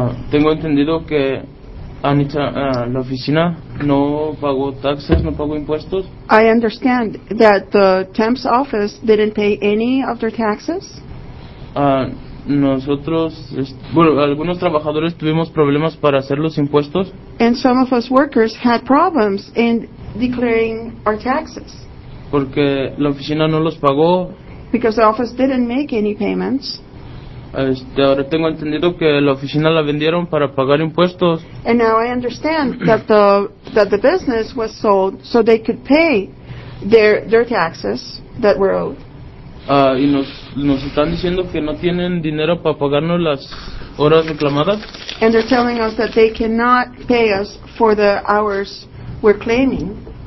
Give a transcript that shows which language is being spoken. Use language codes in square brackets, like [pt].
[es] Tengo entendido que Anita, la oficina no pagó taxes, no pagó impuestos. [en] I understand that the temp's office didn't pay any of their taxes. [es] Algunos trabajadores tuvimos problemas para hacer los impuestos. [en] And some of us workers had problems in declaring our taxes. [es] Porque la oficina no los pagó. [en] Because the office didn't make any payments. [es] Ahora tengo entendido que la oficina la vendieron para pagar impuestos. [en] And now I understand that the business was sold so they could pay their taxes that were owed. [es] Y nos están diciendo que no tienen dinero para pagarnos las horas reclamadas. [en] And they're telling us that they cannot pay us for the hours we're claiming.